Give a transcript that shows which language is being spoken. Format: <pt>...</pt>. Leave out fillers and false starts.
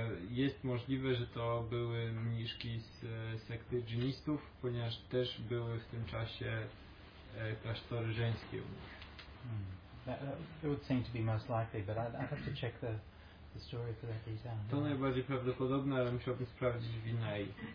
<pl>Jest możliwe, że to były mniszki z sekty dżinistów, ponieważ też były w tym czasie klasztory żeńskie u nich.</pl> <en>It would seem to be most likely, but I'd have to check the story for that detail.</en> <pl>To najbardziej prawdopodobne, ale musiałbym sprawdzić Vinay.</pl>